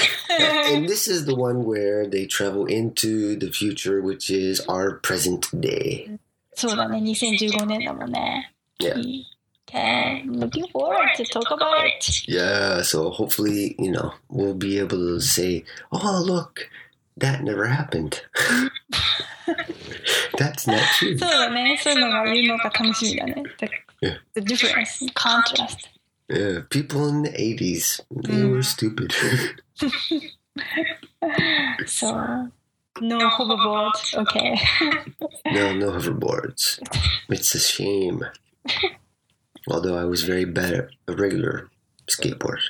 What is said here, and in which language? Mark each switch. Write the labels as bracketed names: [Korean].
[English] And this is the one where they travel into the future, which is our present day. [Japanese] そうだね、2015年だもんね。 [English] Yeah. Okay, looking forward to talk about it. Yeah, so hopefully, you know, we'll be able to say, oh, look, that never happened. That's not true. [Japanese] そうだね、そういうのが言うのが楽しみだね。 [English] The difference, contrast. Yeah, people in the 80s, they were stupid. So... No hoverboards, okay. No hoverboards. It's a shame. Although I was very bad at a regular skateboard.